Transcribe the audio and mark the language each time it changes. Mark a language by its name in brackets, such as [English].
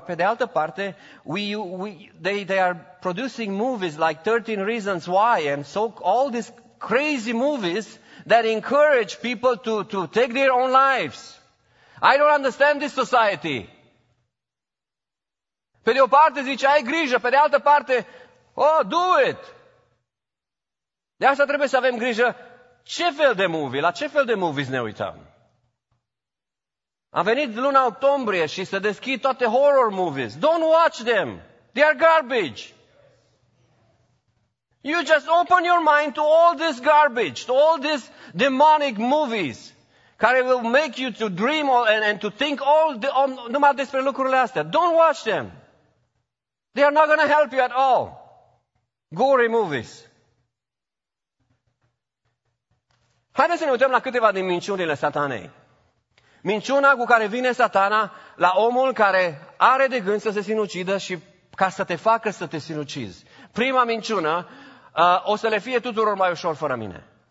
[Romanian] Pe de altă parte, [English] they are producing movies like 13 Reasons Why and so all these crazy movies that encourage people to take their own lives. I don't understand this society. [Romanian] Pe de o parte zice, ai grijă, pe de altă parte, [English] oh, do it. [Romanian] De asta trebuie să avem grijă ce fel de movie, la ce fel de movies ne uităm. A venit luna octombrie și se deschid toate horror movies. [English] Don't watch them. They are garbage. You just open your mind to all this garbage, to all these demonic movies. Care will make you to dream and to think all the, on, [Romanian] numai despre lucrurile astea. [English] Don't watch them. They are not going to help you at all. Gory movies. [Romanian] Haideți să ne uităm la câteva din minciunile satanei. Minciuna cu care vine satana la omul care are de gând să se sinucidă și ca să te facă să te sinucizi. Prima minciună, o să le fie tuturor mai ușor fără mine.